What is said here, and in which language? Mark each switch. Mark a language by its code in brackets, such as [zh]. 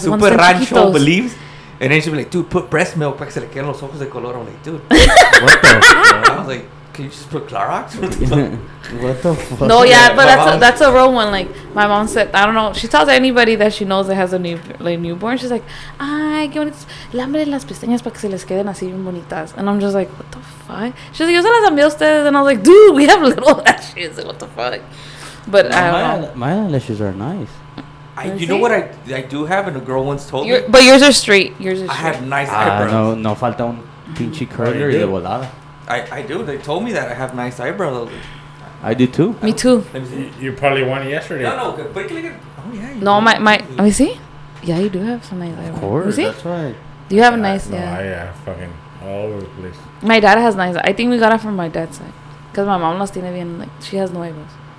[en] Super rancho believes. And then she'd be like, dude, put breast milk [es] para que se le queden los ojos de color. [en] I'm like, dude. What the fuck? I was like, can you just put Clorox? What the fuck? No, yeah, but that's a real one. Like, my mom said, I don't know. She tells anybody that she knows that has a newborn. She's like, [es] ay, qué bonitas. Lámbrele las pestañas para que se les queden así bien bonitas. [en] And I'm just like, what the fuck? She's like, [es] yo se las envié a ustedes. [en] And I was like, dude, we have little lashes. What the fuck? But my eyelashes are nice. You know what I do have? And a girl once told me. But yours are straight. Yours are straight. I have nice eyebrows. [es] No falta un pinche curler y de volada. [en] I do. They told me that I have nice eyebrows. I do too. Me too. You probably won yesterday. No, but can I get? Oh yeah. Let me see. Yeah, you do have some nice eyebrows. Of course, that's right. Do you have a nice? No, yeah, fucking all over the place. My dad has nice. I think we got it from my dad's side, because my mom lost bien, like she has no eyebrows.